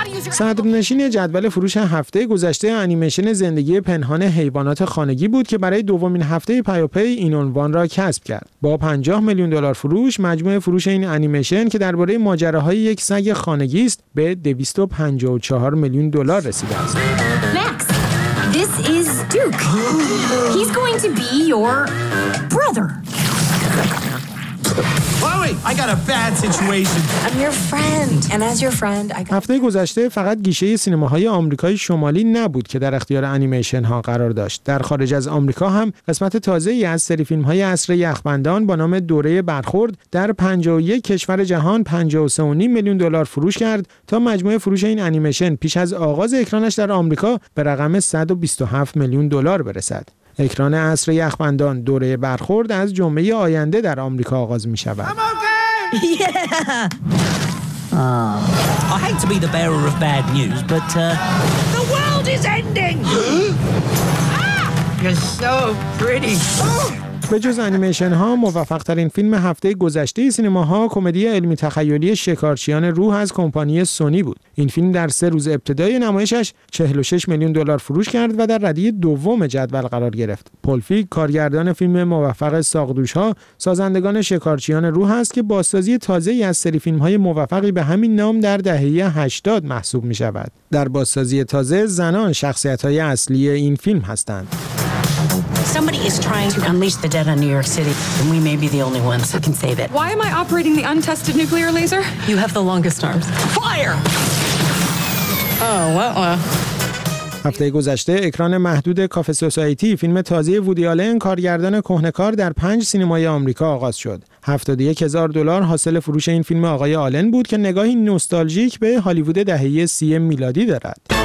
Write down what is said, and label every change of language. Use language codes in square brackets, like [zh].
[fa] صدرنشین جدول فروش هفته گذشته انیمیشن زندگی پنهان حیوانات خانگی بود که برای دومین هفته پیاپی این عنوان را کسب کرد. با 50 میلیون دلار فروش، مجموع فروش این انیمیشن که درباره ماجراهای یک سگ خانگی است به 254 میلیون دلار رسیده است. [en] Max, this is Duke. He's going to be your brother. I got a bad situation. I'm your friend, and as your friend, I got. [fa] هفته گذشته فقط گیشه سینماهای آمریکای شمالی نبود که در اختیار انیمیشن ها قرار داشت. در خارج از آمریکا هم قسمت تازه‌ای از سری فیلم‌های عصر یخبندان با نام دوره برخورد در 51 کشور جهان 53.5 میلیون دلار فروش کرد تا مجموع فروش این انیمیشن پیش از آغاز اکرانش در آمریکا به رقم 127 میلیون دلار برسد. اکران عصر یخبندان دوره برخورد از جمعه آینده در آمریکا آغاز می شود. [en] I hate to be the bearer of bad news, but the world is ending. You're so pretty. [fa] به جز انیمیشن ها، موفق ترین فیلم هفته گذشته سینماها کمدی علمی تخیلی شکارچیان روح از کمپانی سونی بود. این فیلم در سه روز ابتدای نمایشش 46 میلیون دلار فروش کرد و در ردیه دوم جدول قرار گرفت. پول فیگ کارگردان فیلم موفق ساقدوش ها، سازندگان شکارچیان روح است که بازسازی تازه ای از سری فیلم های موفقی به همین نام در دهه 80 محسوب می شود. در بازسازی تازه زنان شخصیت های اصلی این فیلم هستند. [en] Somebody is trying to unleash the dead on New York City, and we may be the only ones who can save it. Why am I operating the untested nuclear laser? You have the longest arms. Fire! Oh, well. [fa] هفته گذشته اکران محدود کافه سوسایتی فیلم تازه وودی آلن کارگردان کهنه‌کار در 5 سینمای آمریکا آغاز شد. 71 هزار دلار حاصل فروش این فیلم آقای آلن بود که نگاهی نوستالژیک به هالیوود دهه 30 میلادی دارد.